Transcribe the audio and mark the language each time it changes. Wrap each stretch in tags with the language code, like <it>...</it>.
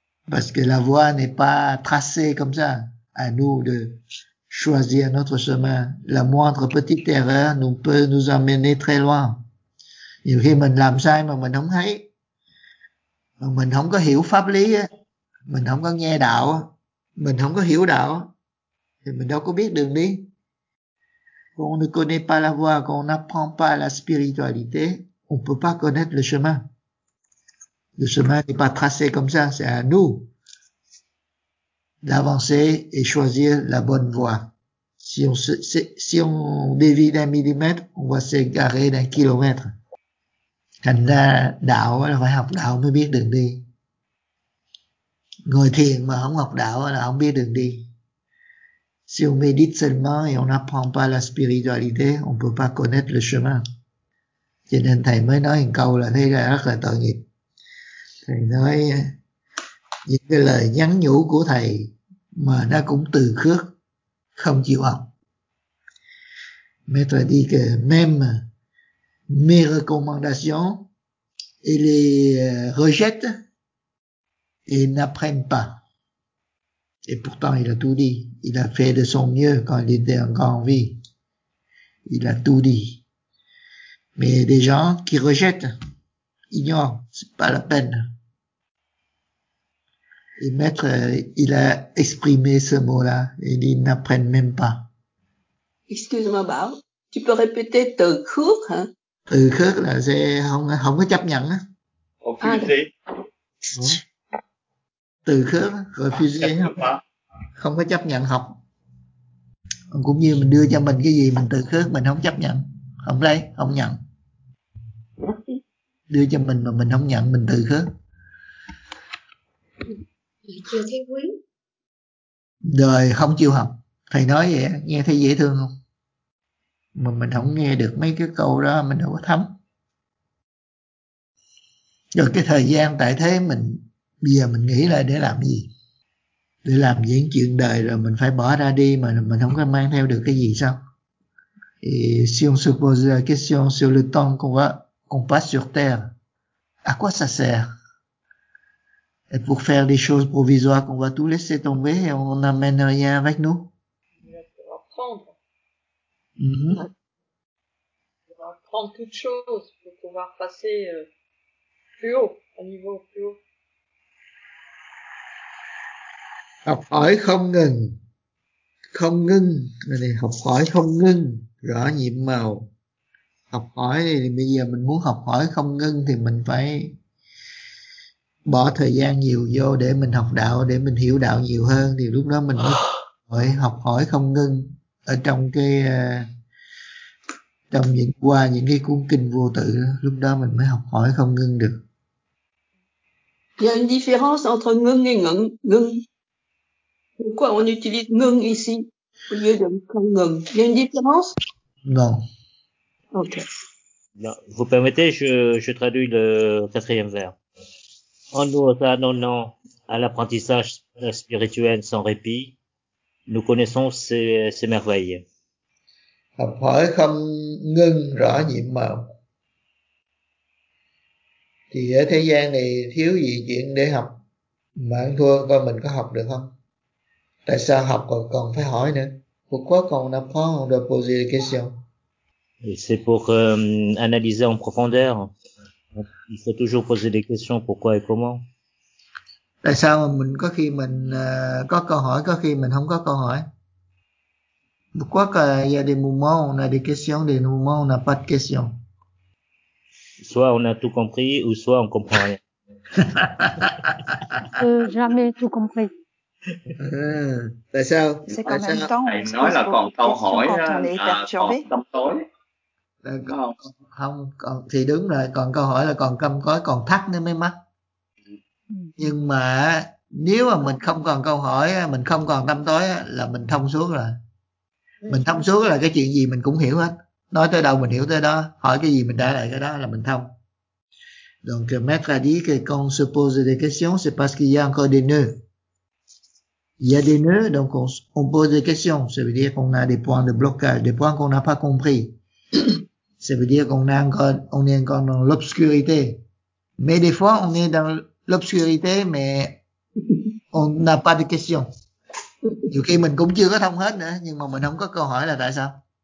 <fr>Parce que la voie n'est pas tracée comme ça. À nous de choisir notre chemin. La moindre petite erreur nous peut nous amener très loin.</fr> <vi>Nhiều khi mình làm sai mà mình không thấy. Mình không có hiểu pháp lý, mình không có nghe đạo, mình không có hiểu đạo, thì mình đâu có biết đường đi.</vi> <fr>On ne connaît pas la voie, quand on n'apprend pas la spiritualité, on ne peut pas connaître le chemin. Le chemin n'est pas tracé comme ça, c'est à nous d'avancer et choisir la bonne voie. Si on dévie d'un millimètre, on va s'égarer d'un kilomètre.</fr> <vi>Thành ra đạo là phải học đạo mới biết đường đi. Ngồi thiền mà không học đạo là không biết đường đi.</vi> <fr>Si on médite seulement et on n'apprend pas la spiritualité, on peut pas connaître le chemin. Cho nên thầy mới nói một câu là thấy là rất là tội nghiệp. Thầy nói những cái lời nhắn nhủ của thầy mà nó cũng từ khước, không chịu học. Maître dit que même mes recommandations, ils les rejettent et n'apprennent pas. Et pourtant, il a tout dit. Il a fait de son mieux quand il était encore en vie. Il a tout dit. Mais des gens qui rejettent, ignorent, c'est pas la peine. Et maître, il a exprimé ce mot-là et ils n'apprennent même pas. Excuse-moi, Bao, tu peux répéter ton cours, hein?</fr> <vi>Từ khước là sẽ không có chấp nhận á.</vi> <fr>Refusé.</fr> <vi>Từ khước, refusé. Không có chấp nhận học. Cũng như mình đưa cho mình cái gì mình từ khước, mình không chấp nhận. Không lấy, không nhận. Đưa cho mình mà mình không nhận, mình từ khước. Chưa thấy quý. Rồi, không chịu học. Thầy nói vậy, nghe thấy dễ thương không? Mà mình không nghe được mấy cái câu đó, mình đâu có thấm. Rồi cái thời gian tại thế mình, bây giờ mình nghĩ lại để làm gì? Để làm những chuyện đời rồi mình phải bỏ ra đi mà mình không có mang theo được cái gì sao?</vi> <fr>Et si on se pose la question sur le temps qu'on passe sur terre, à quoi ça sert? Et pour faire des choses provisoires qu'on va tout laisser tomber et on n'amène rien avec nous? On va apprendre quelque chose pour pouvoir passer plus haut, à un niveau plus haut.</fr> <vi>Học hỏi không ngừng. Không ngưng. Đây này, học hỏi không ngưng. Rõ nhiệm màu. Học hỏi này thì bây giờ mình muốn học hỏi không ngưng thì mình phải bỏ thời gian nhiều vô để mình học đạo, để mình hiểu đạo nhiều hơn. Thì lúc đó mình mới học hỏi không ngưng. Ở trong cái trong những qua những cái cuốn kinh vô tự đó, lúc đó mình mới học hỏi không ngưng được.</vi> <fr>Il y a une différence entre ngưng et ngưng. Pourquoi on utilise ngưng ici au lieu de</fr> <vi>không ngưng?</vi> <fr>Il y a une différence? Non. Ok. Non, vous permettez, je traduis le quatrième vers. En nous adonnant à l'apprentissage spirituel sans répit, nous connaissons ces merveilles.</fr> <vi>Học hỏi không ngưng rõ nhiệm màu. Thì ở thế gian này thiếu gì chuyện để học. Mà ăn thua coi mình có học được không? Tại sao học còn phải hỏi nữa?</vi> <fr>Pourquoi on apprend, on doit poser des questions? C'est pour analyser en profondeur. Il faut toujours poser des questions, pourquoi et comment.</fr> <vi>Tại sao mình có khi mình có câu hỏi, có khi mình không có câu hỏi?</vi> <fr>Pourquoi il y a des moments où on a des questions, des moments où on n'a pas de questions? Soit on a tout compris, ou soit on comprend rien. jamais tout compris.</fr> <vi>Tại sao?</vi> <fr>C'est quand même temps.</fr> <vi>Thầy nói là còn câu hỏi còn tâm tối. Không, còn, thì đúng rồi, còn câu hỏi là còn câm tối, còn thắt nữa mới mắc. Nhưng mà nếu mà mình không còn câu hỏi, mình không còn tâm tối là mình thông suốt rồi. Mình thông suốt là cái chuyện gì mình cũng hiểu hết. Nói tới đâu mình hiểu tới đó, hỏi cái gì mình trả lại cái đó là mình thông.</vi> <fr>Donc maître a dit que quand on se pose des questions, c'est parce qu'il y a encore des nœuds. Il y a des nœuds, donc on pose des questions. Ça veut dire qu'on a des points de blocage, des points qu'on n'a pas compris. Ça veut dire qu'on a encore, on est encore dans l'obscurité. Mais des fois, on est dans l'obscurité, mais on n'a pas de questions. Du coup,</fr> <vi>mình cũng chưa có thông hết nữa, nhưng mà mình không có câu hỏi là tại sao.</vi>